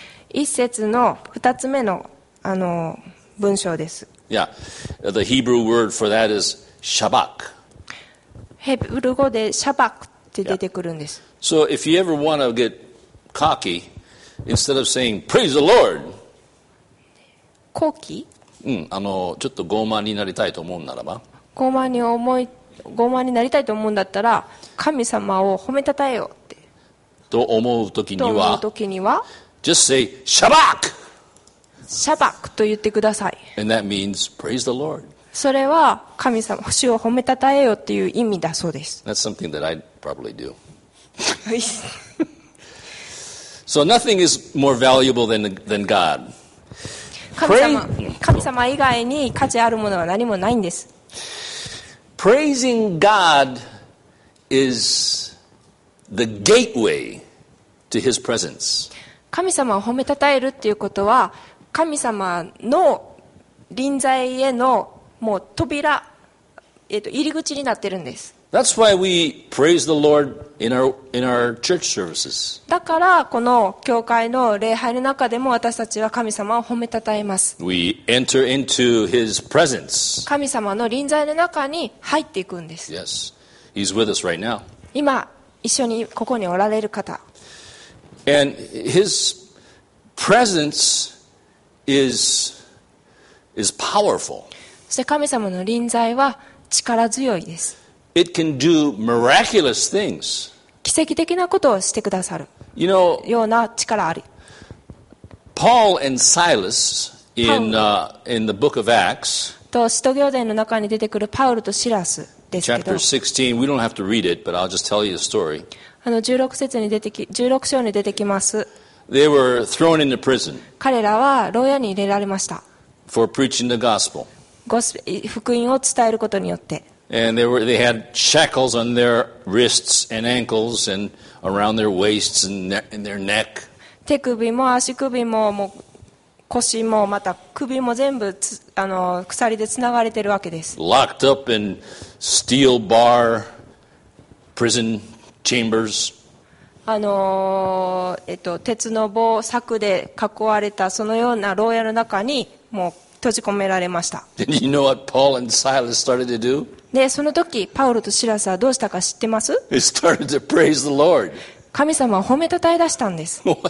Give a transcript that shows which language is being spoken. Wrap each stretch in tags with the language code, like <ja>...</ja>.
<ja>一節の二つ目の文章です。</ja> <en>Yeah, the Hebrew word for that is Shabbat.</en> <ja>ヘブル語でシャバクって出てくるんです。</ja> <en>Yeah. So if you ever want to get cocky, instead of saying Praise the Lord,</en> <ja>高気？ちょっと傲慢になりたいと思うならば、傲慢に思い傲慢になりたいと思うんだったら神様を褒めたたえようってと思うときにはと思うときには</ja> <en>Just say Shabbat</en> <ja>Shabbat と言ってください</ja> <en>And that means praise the Lord</en> <ja>それは神様、主を褒めたたえよっていう意味だそうです。</ja> <en>That's something that I'd probably do. So nothing is more valuable than God.</en> <ja>神様以外に価値あるものは何もないんです。</ja> <en>Praising God is the gateway to His presence.</en> <ja>神様を褒めたたえるっていうことは、神様の臨在へのもう扉、入り口になってるんです。</ja> <en>That's why we praise the Lord in our church services.</en> <ja>だからこの教会の礼拝の中でも私たちは神様を褒めたたえます。</ja> <en>We enter into His presence.</en> <ja>神様の臨在の中に入っていくんです。</ja> <en>Yes, He's with us right now.</en> <ja>今一緒にここにおられる方。</ja> <en>And His presence is powerful.</en> <ja>そして神様の臨在は力強いです。</ja> <en>It can do miraculous things.</en> <ja>奇跡的なことをしてくださるような力あり。</ja> <en>Paul and Silas in the book of Acts.</en> <ja>と使徒行伝の中に出てくるパウルとシラスですけど。</ja> <en>Chapter 16. We don't have to read it, but I'll just tell you the story.</en> <ja>16章に出てきます。</ja> <en>They were thrown into prison.</en> <ja>彼らは牢屋に入れられました。</ja> <en>For preaching the gospel.</en> <ja>福音を伝えることによって。</ja> <en>And they had shackles on their wrists and ankles and around their waists and their neck.</en> <ja>手首も足首も、 もう腰もまた首も全部鎖でつながれてるわけです。</ja> <en>Locked up in steel bar prison chambers.</en> <ja>鉄の棒柵で囲われたそのような牢屋の中にもう閉じ込められました。</ja> <en>Did you know what Paul and Silas started to do?</en> <ja>でその時パウロとシラスはどうしたか知ってます？</ja> <en>They started to praise the Lord.</en> <ja>神様を褒めたたえ出したんです。</ja>